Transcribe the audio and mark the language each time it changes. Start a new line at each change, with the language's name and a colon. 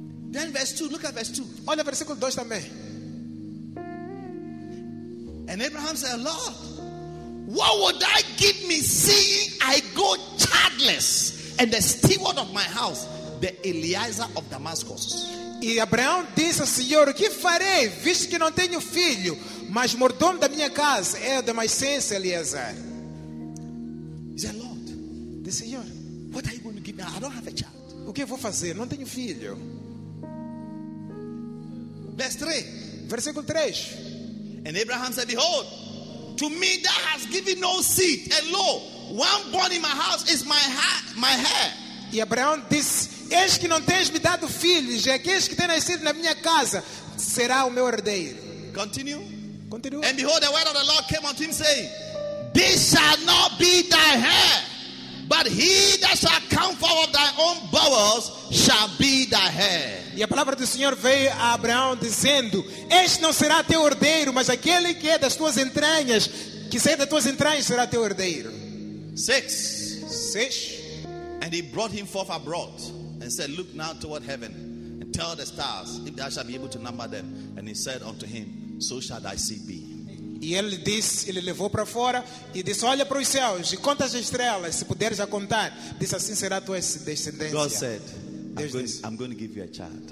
English: Then verse 2, look at verse 2.
Portuguese: Olha versículo 2 também.
English: And Abraham said, Lord, what would I give me seeing I go childless and the steward of my house, the Eliezer of Damascus?
Portuguese: E Abraão disse ao Senhor, o que farei, visto que não tenho filho, mas mordomo da minha casa é o de mais senso, Eliezer.
English: He said, Lord, the
Portuguese: Senhor,
English: what are you going to give me? I don't have a child.
Portuguese: O que eu vou fazer? Não tenho filho.
English: Verse 3.
Portuguese: Versículo 3.
English: And Abraham said, behold, to me that has given no seed, and lo, one born in my house is my heir.
Portuguese: E Abraão disse, eis que não tens me dado filhos, e aqueles que têm nascido na minha casa será o meu herdeiro.
English: Continue. And behold, the word of the Lord came unto him, saying, this shall not be thy heir, but he that shall come forth of thy own bowels shall be thy heir.
Portuguese: E a palavra do Senhor veio a Abraão dizendo, este não será teu herdeiro, mas aquele que é das tuas entranhas, que sai das tuas entranhas, será teu herdeiro.
English: 6. And he brought him forth abroad, and said, look now toward heaven, and tell the stars, if thou shalt be able to number them. And he said unto him, so shall thy seed be.
Portuguese: E ele disse, ele levou para fora, e disse, olha para os céus, e conta as estrelas, se puderes a contar. Disse, assim será tua descendência.
English: God said, I'm going to give you a child.